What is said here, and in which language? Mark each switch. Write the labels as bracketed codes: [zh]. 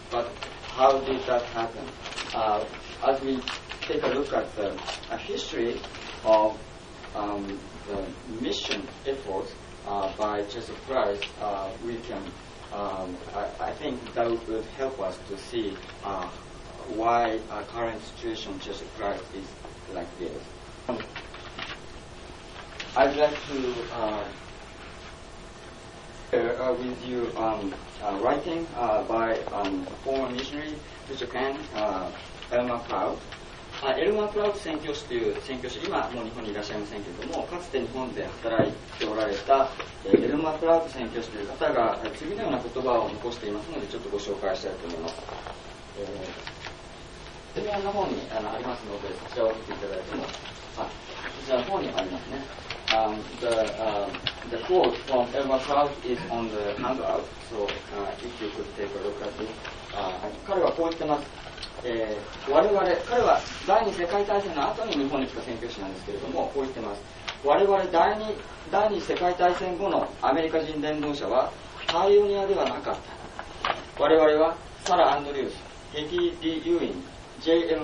[en] But how did that happen? As we take a look at the history of the mission efforts by Church of Christ, we can, I think that would help us to see why our current situation Church of Christ is like this. I'd like to share with you a writing by former missionary to Japan, Elmer Cloud. [ja] Elmer Cloud 宣教師という宣教師、今もう日本にいらっしゃいませんけれども、かつて日本で働いておられたElmer Cloud 宣教師という方が次のような言葉を残していますので、ちょっとご紹介したいと思います。説明の方にありますので、そちらを見ていただいても、こちらの方にありますね。 [en] The quote from Elmer Cloud is on the handout, so if you could take a look at it. [ja] 彼はこう言ってます。彼は第二世界大戦の後に日本に来た宣教師なんですけれども、こう言ってます。我々第二世界大戦後のアメリカ人伝道者は、パイオニアではなかった。我々は、サラ・アンドリュース、ヘディ・ディ・ユイン、J.M.